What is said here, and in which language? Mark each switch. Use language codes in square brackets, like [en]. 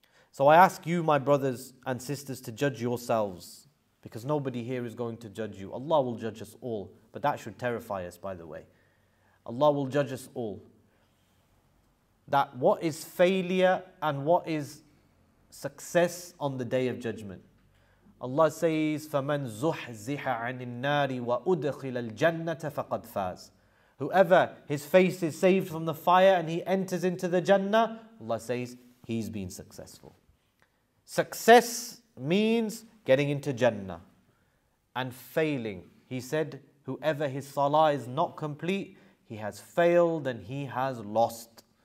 [en] So I ask you, my brothers and sisters, to judge yourselves, because nobody here is going to judge you. Allah will judge us all. But that should terrify us, by the way. Allah will judge us all. That what is failure and what is success on the Day of Judgment? [ar] Allah says, فَمَنْ زُحْزِحَ عَنِ النَّارِ وَأُدْخِلَ الْجَنَّةَ فَقَدْ فَازَ. [en] Whoever his face is saved from the fire and he enters into the Jannah, Allah says, he's been successful. Success means getting into Jannah. And failing, he said, whoever his salah is not complete, he has failed and he has lost.